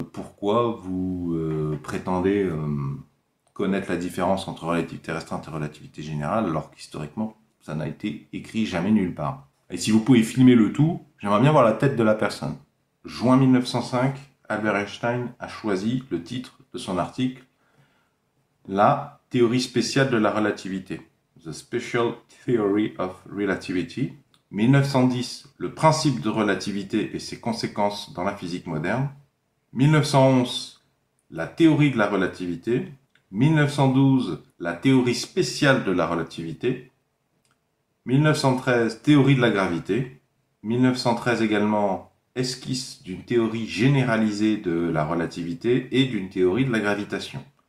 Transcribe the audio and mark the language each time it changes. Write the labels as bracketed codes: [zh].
[fr] Pourquoi vous prétendez connaître la différence entre relativité restreinte et relativité générale alors qu'historiquement, ça n'a été écrit jamais nulle part? Et si vous pouvez filmer le tout, j'aimerais bien voir la tête de la personne. Juin 1905, Albert Einstein a choisi le titre de son article La théorie spéciale de la relativité. [en] The Special Theory of Relativity. [fr] 1910, le principe de relativité et ses conséquences dans la physique moderne. 1911, la théorie de la relativité. 1912, la théorie spéciale de la relativité. 1913, théorie de la gravité. 1913 également, esquisse d'une théorie généralisée de la relativité et d'une théorie de la gravitation.